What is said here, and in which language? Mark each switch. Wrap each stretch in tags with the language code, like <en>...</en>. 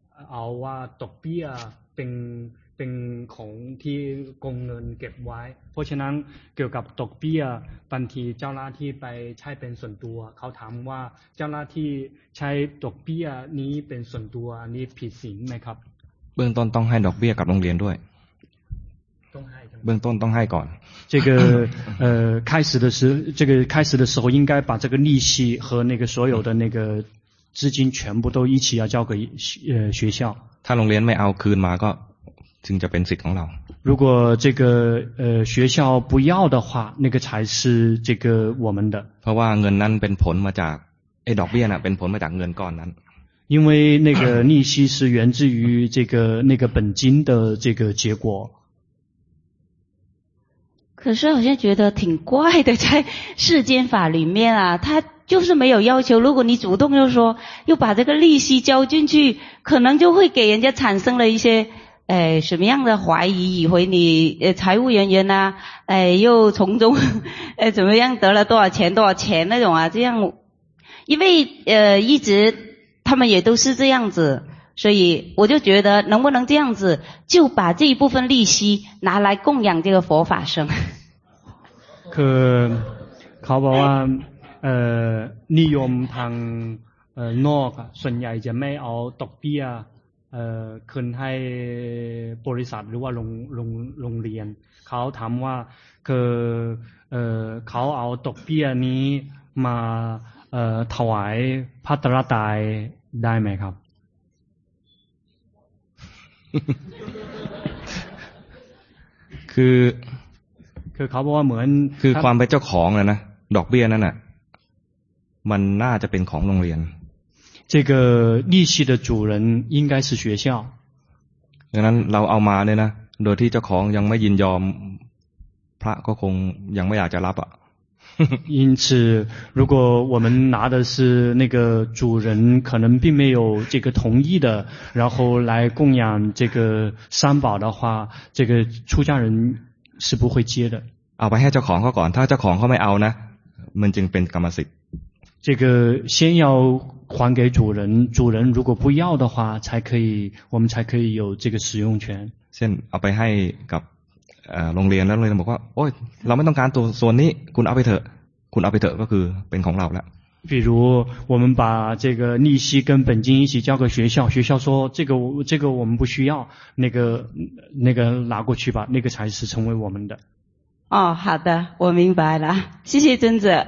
<th>เอาว่าดอกเบี้ยเป็นของที่กองเงินเก็บไว้เพราะฉะนั้นเกี่ยวกับดอกเบี้ยบางทีเจ้าหน้าที่ไปใช้เป็นส่วนตัวเขาถามว่าเจ้าหน้าที่ใช้ดอกเบี้ยนี้เป็นส่วนตัวอันนี้ผิดศีลไหมครับ เบื้องต้นต้องให้ดอกเบี้ยกับโรงเรียนด้วย ต้องให้เบื้องต้นต้องให้ก่อน</th> <zh>这个开始的时这个开始的时候应该把这个利息和那个所有的那个资金全部都一起要交给学校</zh> <th>ถ้าโรงเรียนไม่เอาคืนมาก็จึงจะเป็นสิทธิ์ของเรา</th> <zh>如果这个学校不要的话那个才是这个我们的</zh> <th>เพราะว่าเงินนั้นเป็นผลมาจากไอ้ดอกเบี้ยน่ะเป็นผลมาจากเงินก้อนนั้น</th> <zh>因为那个利息是源自于这个那个本金的这个结果可是好像觉得挺怪的在世间法里面啊他就是没有要求如果你主动又说又把这个利息交进去可能就会给人家产生了一些什么样的怀疑以为你财务人员啊又从中怎么样得了多少钱那种啊这样因为一直他们也都是这样子所以我就觉得能不能这样子就把这一部分利息拿来供养这个佛法僧可考宝湾利用他诺顺亚姐妹哦独臂啊</zh> <th>คืนให้บริษัทหรือว่าโรงเรียนเขาถามว่าคือเขาเอาดอกเบี้ยนี้มาถวายพระตรัสตรัยได้ไหมครับ คือ เขาบอกว่าเหมือน คือความเป็นเจ้าของนะดอกเบี้ยนั่นน่ะมันน่าจะเป็นของโรงเรียน</th> <zh>这个利息的主人应该是学校</zh> <th>ดังนั้นเราเอามาเนี่ยนะโดยที่เจ้าของยังไม่ยินยอมพระก็คงยังไม่อยากจะรับอ่ะ</th> <zh>因此如果我们拿的是那个主人可能并没有这个同意的然后来供养这个三宝的话这个出家人是不会接的</zh> <th>เอาไปให้เจ้าของเขาก่อนถ้าเจ้าของเขาไม่เอานะมันจึงเป็นกรรมสิทธิ์</th> <zh>这个先要还给主人主人如果不要的话才可以我们才可以有这个使用权</zh> <th>เช่นเอาไปให้กับโรงเรียนแล้วโรงเรียนบอกว่าโอ้ยเราไม่ต้องการตัวส่วนนี้คุณเอาไปเถอะคุณเอาไปเถอะก็คือเป็นของเราแล้ว</th> <zh>比如我们把这个利息跟本金一起交给学校学校说这个我们不需要那个拿过去吧那个才是成为我们的哦好的我明白了谢谢尊者</zh>